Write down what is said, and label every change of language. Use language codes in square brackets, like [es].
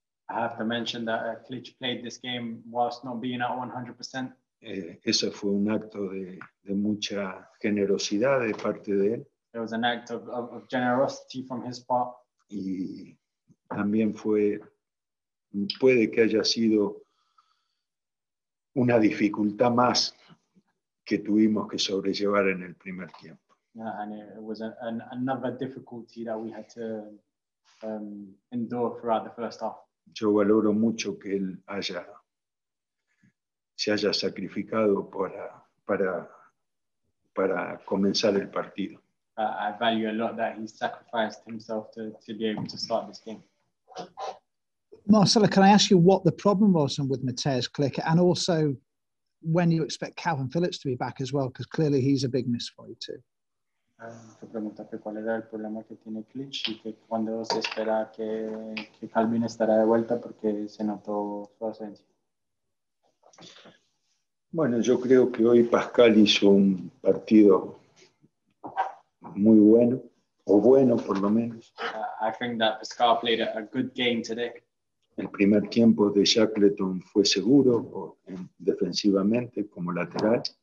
[en] I have to mention that Klitsch played this game whilst not being at 100%. [es] Ese fue un acto de mucha generosidad de parte de él. [en] It was an act of generosity from his part. [es] Y también fue, puede que haya sido una dificultad más que tuvimos que sobrellevar en el primer tiempo. [en] Yeah, and it was another difficulty that we had to endure throughout the first half. [es] Yo valoro mucho que él se haya sacrificado para comenzar el partido. [en] I value a lot that he sacrificed himself to be able to start this game. Marcelo, can I ask you what the problem was with Mateus Klik, and also when you expect Calvin Phillips to be back as well, because clearly he's a big miss for you too. [es] Te pregunta que cuál era el problema que tiene Klitsch y que cuando se espera que Calvin estará de vuelta porque se notó su ausencia. Bueno, yo creo que hoy Pascal hizo un partido muy bueno, o bueno por lo menos. [en] I think that Pascal played a good game today. [es] El primer tiempo de Shackleton fue seguro defensivamente como lateral.